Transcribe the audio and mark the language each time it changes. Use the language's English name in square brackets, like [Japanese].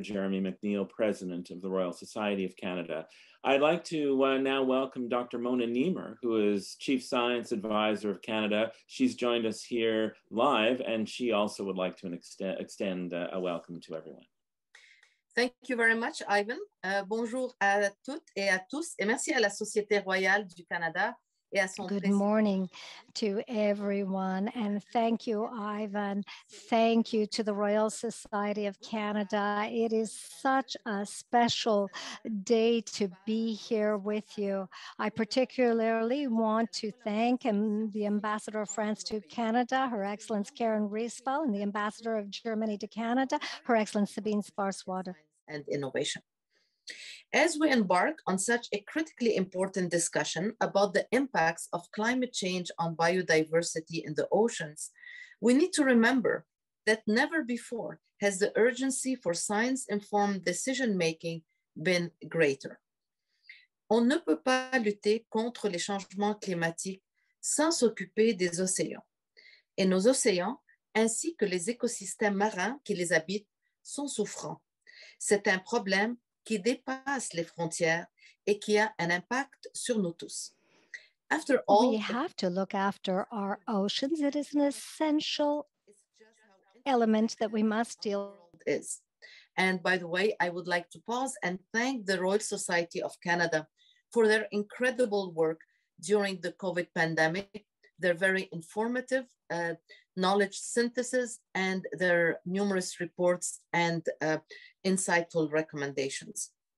[English] Jeremy McNeil, President of the Royal Society of Canada. I'd like to now welcome Dr. Mona Niemer, who is Chief Science Advisor of Canada. She's joined us here live, and she also would like to extend a welcome to everyone. Thank you very much, Ivan. [French] Bonjour à toutes et à tous, et merci à la Société Royale du Canada et à son. [English] Good morning to everyone, and thank you, Ivan. Thank you to the Royal Society of Canada. It is such a special day to be here with you. I particularly want to thank the Ambassador of France to Canada, Her Excellency Karine Rispal, and the Ambassador of Germany to Canada, Her Excellency Sabine Sparswasser. And innovation. As we embark on such a critically important discussion about the impacts of climate change on biodiversity in the oceans, we need to remember that never before has the urgency for science-informed decision-making been greater. [French] On ne peut pas lutter contre les changements climatiques sans s'occuper des océans. Et nos océans, ainsi que les écosystèmes marins qui les habitent, sont souffrants. C'est un problème qui dépasse les frontières et qui a un impact sur nous tous. [English] After all, we have to look after our oceans. It is an essential element that we must deal with. And by the way, I would like to pause and thank the Royal Society of Canada for their incredible work during the COVID pandemic, their very informative knowledge synthesis, and their numerous reports and insightful recommendations.